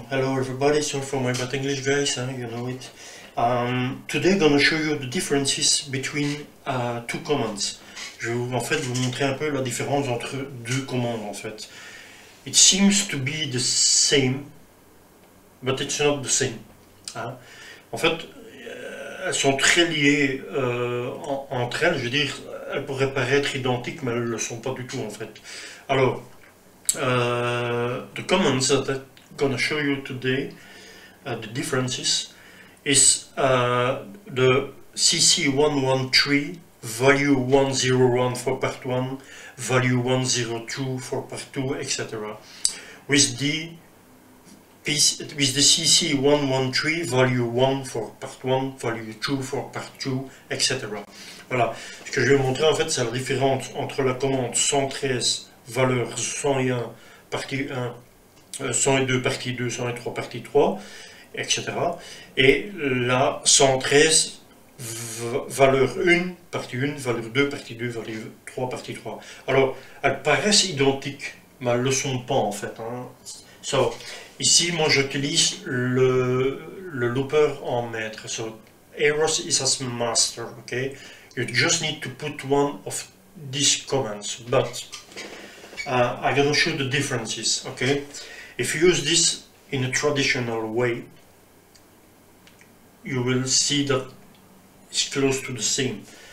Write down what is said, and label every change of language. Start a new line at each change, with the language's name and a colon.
English: Hello everybody, sorry for my bad English guys, you know it. Today I'm gonna show you the differences between two commands.
French: Je vais en fait vous montrer un peu la différence entre deux commandes en fait.
English: It seems to be the same, but it's not the same. Hein?
French: En fait, elles sont très liées entre elles, je veux dire, elles pourraient paraître identiques, mais elles ne le sont pas du tout en fait.
English: Alors, the commands that I'm going to show you today, the differences, is the CC113 value 101 for part 1, value 102 for part 2, etc. With the CC113 value 1 for part 1, value 2 for part 2, etc.
French: Voilà, ce que je vais montrer en fait, c'est la différence entre la commande 113 valeur 101 partie 1, 102 partie 2, 103 partie 3, etc. Et la 113 valeur 1 partie 1, valeur 2 partie 2, valeur 3 partie 3. Alors, elles paraissent identiques, mais elles ne le sont pas en fait. Hein. So, ici, moi j'utilise le looper en maître.
English: So, Aeros is as master. Okay? You just need to put one of these commands. But, I'm going to show the differences, okay? If you use this in a traditional way, you will see that it's close to the same.